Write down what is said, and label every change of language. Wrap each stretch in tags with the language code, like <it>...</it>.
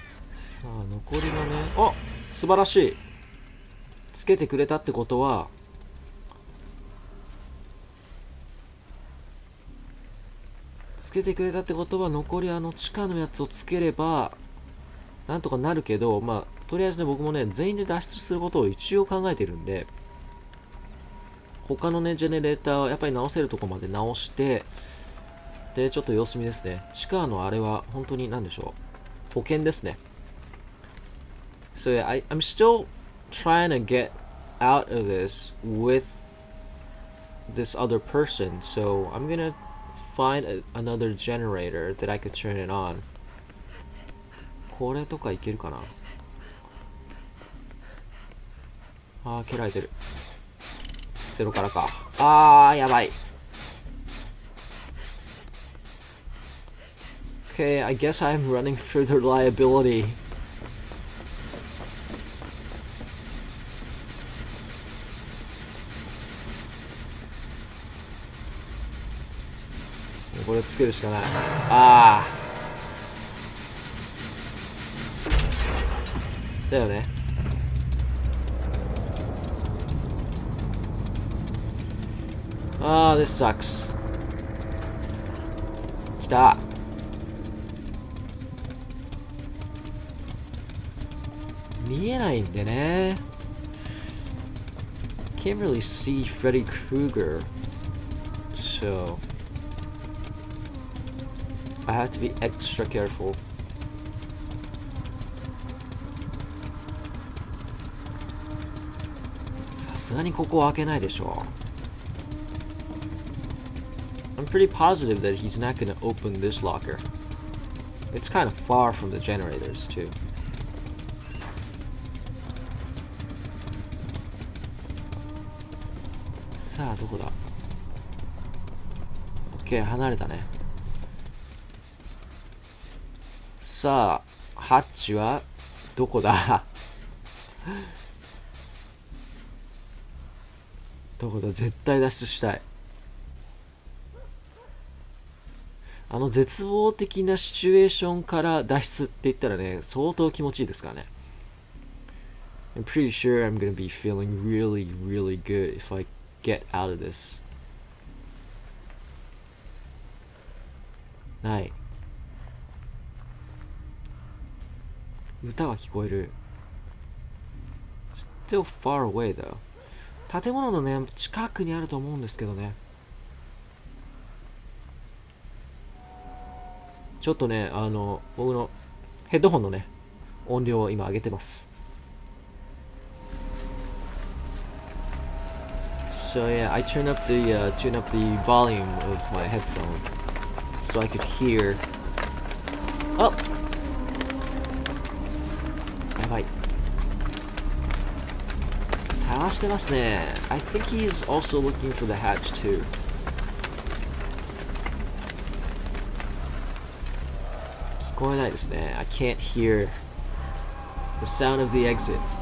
<ja>さあ残りのね、あ、素晴らしい、つけてくれたってことは、つけてくれたってことは残りあの地下のやつをつければなんとかなるけど、まあとりあえずね、僕もね、全員で脱出することを一応考えてるんで、他のね、ジェネレーターはやっぱり直せるとこまで直して、で、ちょっと様子見ですね。地下のあれは本当に何でしょう。保険ですね。</ja> <en>So yeah, I'm still trying to get out of this with this other person, so I'm gonna find another generator that I could turn it on.</en> <ja>これとかいけるかな? あー蹴られてる、ゼロからか、あーやばい。</ja> <en>Okay, I guess I'm running for the liability.</en> <ja>これつけるしかない、あーだよね。</ja> <en>Ah, this sucks.</en> <ja>きた。見えないんでね。</ja> <en>Can't really see Freddy Krueger. So, I have to be extra careful.</en> <ja>さすがにここ開けないでしょ。</ja> <en>I'm pretty positive that he's not gonna open this locker. It's kind of far from the generators, too.</en> <ja>さあ、どこだ? OK、離れたね。さあ、ハッチはどこだ? どこだ?絶対脱出したい。あの絶望的なシチュエーションから脱出って言ったらね、相当気持ちいいですからね。</ja> <en>I'm pretty sure I'm gonna be feeling really, really good if I get out of this.</en> <ja>ない。歌は聞こえる。</ja> <en>Still far away though.</en> <ja>建物のね、近くにあると思うんですけどね。ちょっとね、あの僕のヘッドホンのね音量を今上げてます。</ja> <en>So yeah, I turn up the volume of my headphone so I could hear.</en> <ja>あ、やばい、探してますね。</ja> <en>I think he's also looking for the hatch too.</en> <ja>聞こえないですね。</ja> <en>I can't hear the sound of the exit.</en>